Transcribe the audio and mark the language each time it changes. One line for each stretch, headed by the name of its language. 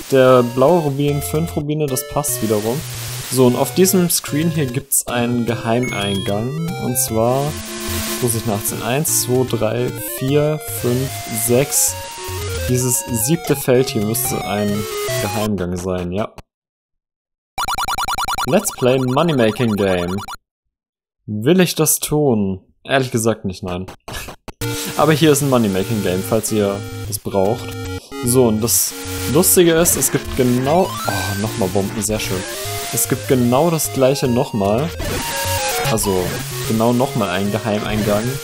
German: Der blaue Rubin, 5 Rubine, das passt wiederum. So, und auf diesem Screen hier gibt's einen Geheimeingang. Und zwar muss ich nachzählen. 1, 2, 3, 4, 5, 6. Dieses siebte Feld hier müsste ein Geheimgang sein, ja.
English: Let's play Moneymaking Game.
German: Will ich das tun? Ehrlich gesagt nicht, nein. Aber hier ist ein Moneymaking Game, falls ihr das braucht. So, und das Lustige ist, es gibt genau... Oh, nochmal Bomben, sehr schön. Es gibt genau das gleiche nochmal. Also, genau nochmal einen Geheimeingang.